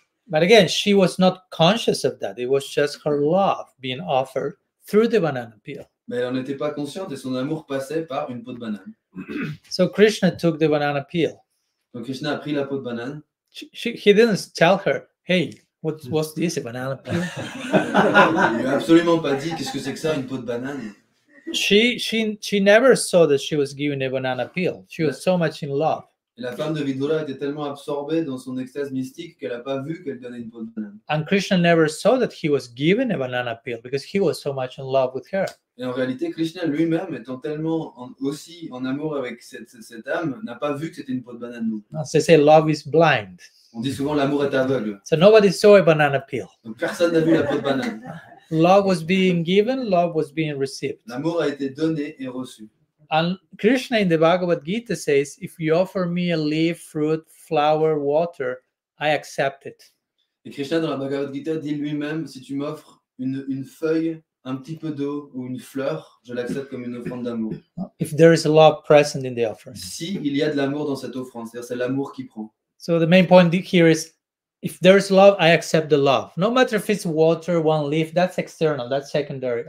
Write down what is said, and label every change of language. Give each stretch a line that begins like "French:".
English: But again, she was not conscious of that. It was just her love being offered through the banana peel.
French: Mais elle n'était pas consciente et son amour passait par une peau de banane.
English: So Krishna took the banana peel.
French: Donc Krishna a pris la peau de banane.
English: He didn't tell her, hey, what's this, a banana peel?
French: Il lui a absolument pas dit, qu'est-ce que c'est que ça, une peau de banane?
English: She never saw that she was giving a banana peel. She was so much in love.
French: Et la femme de Vidura était tellement absorbée dans son extase mystique qu'elle n'a pas vu qu'elle donnait une peau de banane.
English: And Krishna never saw that he was giving a banana peel because he was so much in love with her.
French: Et en réalité, Krishna lui-même, étant tellement aussi en amour avec cette âme, n'a pas vu que c'était une peau de banane.
English: They say love is blind.
French: On dit souvent l'amour est aveugle.
English: So nobody saw a banana peel.
French: Donc personne n'a vu la peau de banane.
English: Love was being given, love was being received.
French: L'amour a été donné et reçu.
English: And Krishna in the Bhagavad Gita says, if you offer me a leaf, fruit, flower, water, I accept it.
French: Et Krishna dans la Bhagavad Gita dit lui-même, si tu m'offres une feuille, un petit peu d'eau ou une fleur, je l'accepte comme une offrande d'amour.
English: If there is love present in the offering.
French: Si il y a de l'amour dans cette offrande, c'est-à-dire c'est l'amour qui prend.
English: So the main point here is, if there is love, I accept the love. No matter if it's water, one leaf, that's external, that's secondary.